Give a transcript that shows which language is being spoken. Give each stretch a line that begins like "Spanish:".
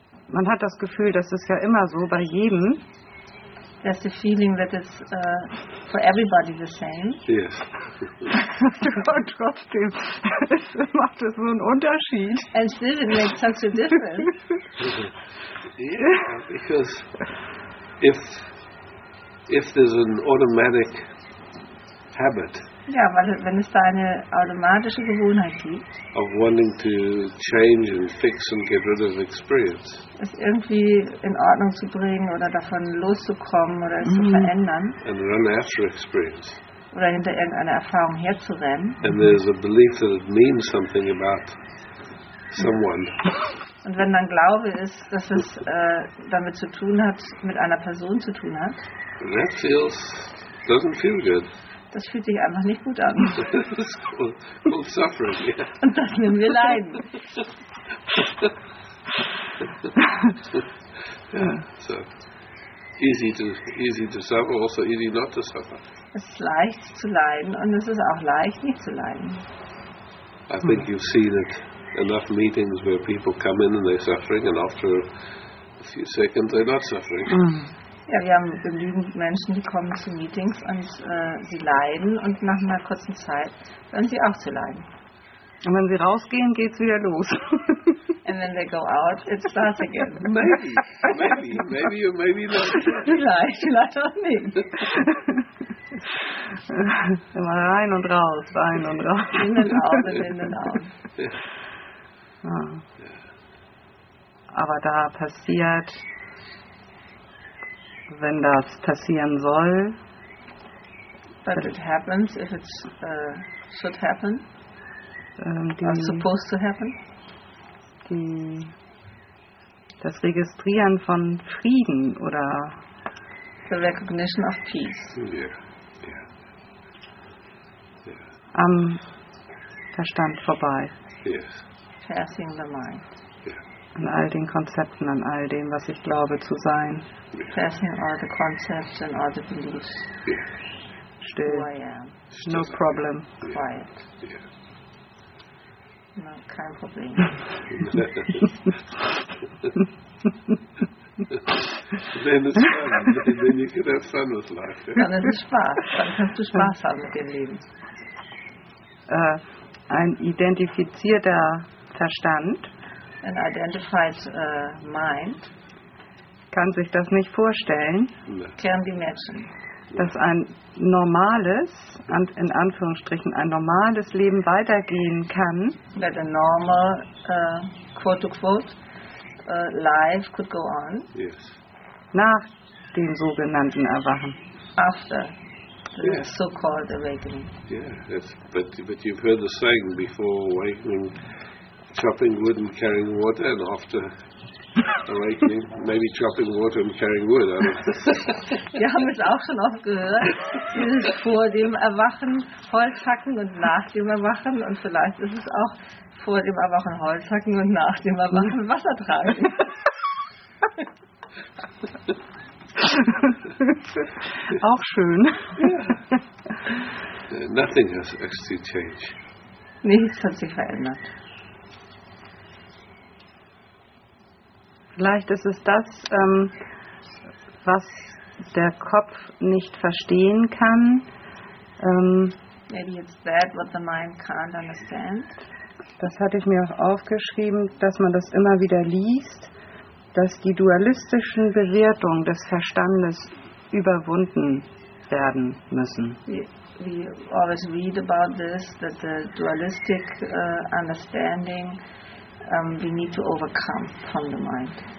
German: Man hat das Gefühl, das ist ja immer so bei jedem.
English: There's the feeling that it's for everybody the same. Yes.
German: Und trotzdem macht es so einen Unterschied.
English: And still it makes such a difference. Yeah, because if there's an automatic habit.
German: Ja, weil wenn es da eine automatische Gewohnheit gibt.
English: Of wanting to change and fix and get rid of experience.
German: Es irgendwie in Ordnung zu bringen oder davon loszukommen oder es zu verändern.
English: And run after experience.
German: Oder hinter irgendeiner Erfahrung herzurennen.
English: And there's a belief that it means something about someone.
German: Und wenn dann Glaube ist, dass es damit zu tun hat, mit einer Person zu tun hat,
English: that feels, doesn't feel good.
German: Das fühlt sich einfach nicht gut an.
English: called suffering, yeah.
German: Und das nennen wir Leiden.
English: Yeah, so easy to suffer, also easy not to suffer.
German: Es ist leicht zu leiden und es ist auch leicht nicht zu leiden.
English: I think you've seen it. Enough meetings where people come in and they're suffering, and after a few seconds they're not suffering.
German: Ja, wir haben genügend Menschen, die kommen zu Meetings und sie leiden, und nach einer kurzen Zeit werden sie auch zu leiden. Und wenn sie rausgehen, geht's wieder los.
English: And when they go out, it starts again. Maybe, maybe, maybe, maybe not.
German: Vielleicht, vielleicht auch nicht. Immer rein und raus, rein und raus. Innen aus, innen aus. Aber da passiert, wenn das passieren soll.
English: But it happens if it should happen. Or supposed to happen.
German: Das Registrieren von Frieden oder
English: the recognition of peace. Yeah.
German: Am Verstand vorbei.
English: Yes. Passing the mind. Yeah.
German: An all den Konzepten, an all dem, was ich glaube zu sein.
English: Passing all the concepts and all the beliefs. Yeah. Still. Who I am. No problem. Yeah. Quiet. Yeah.
German: No, kein Problem.
English: Then it's fun. Then you can have fun with life.
German: Dann ist es Spaß. Dann kannst du Spaß haben mit dem Leben. Ein identifizierter Verstand,
English: an identified mind,
German: kann sich das nicht vorstellen.
English: Can imagine.
German: Dass ein normales, in Anführungsstrichen, ein normales Leben weitergehen kann.
English: That a normal, quote-unquote, life could go on. Yes.
German: Nach dem sogenannten Erwachen.
English: After the so-called awakening. Yeah, that's, but you've heard the saying, before awakening, chopping wood and carrying water, and after awakening, maybe chopping water and carrying wood.
German: Wir haben es auch schon oft gehört, dieses vor dem Erwachen Holz hacken und nach dem Erwachen, und vielleicht ist es auch vor dem Erwachen Holz hacken und nach dem Erwachen Wasser tragen. Auch schön.
English: Yeah. Nothing has actually changed.
German: Nichts hat sich verändert. Vielleicht ist es das, was der Kopf nicht verstehen kann.
English: Maybe it's that what the mind can't understand.
German: Das hatte ich mir auch aufgeschrieben, dass man das immer wieder liest, dass die dualistischen Bewertungen des Verstandes überwunden werden müssen.
English: We always read about this, that the dualistic understanding we need to overcome from the mind.